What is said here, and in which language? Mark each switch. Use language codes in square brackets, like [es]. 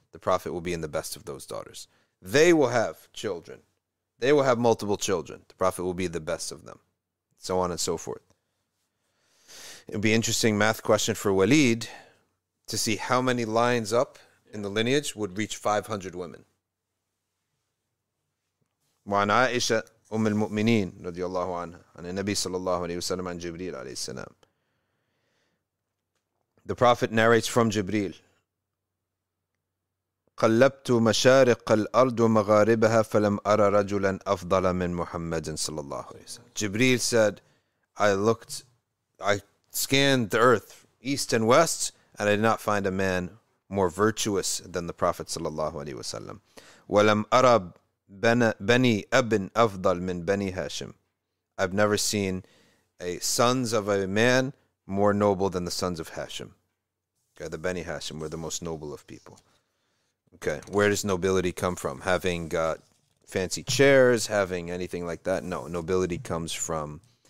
[en] The Prophet will be in the best of those daughters. They will have children. They will have multiple children. The Prophet will be the best of them. So on and so forth. It would be an interesting math question for Waleed to see how many lines up in the lineage would reach 500 women. [ar] وعن عائشة أم المؤمنين رضي الله عنها عن النبي صلى الله عليه وسلم عن جبريل عليه السلام. [en] The Prophet narrates from Jibreel. [ar] قلبت مشارق الأرض ومغاربها فلم أرى رجلا أفضل من محمد صلى الله عليه وسلم. [en] Jibreel said, I scanned the earth east and west and I did not find a man more virtuous than the Prophet [ar] صلى الله عليه وسلم. ولم أرى بني أب أفضل من بني هاشم. [en] I've never seen a sons of a man more noble than the sons of Hashim. Okay, the Bani Hashim were the most noble of people. Okay, where does nobility come from? Having fancy chairs, having anything like that? No, nobility comes from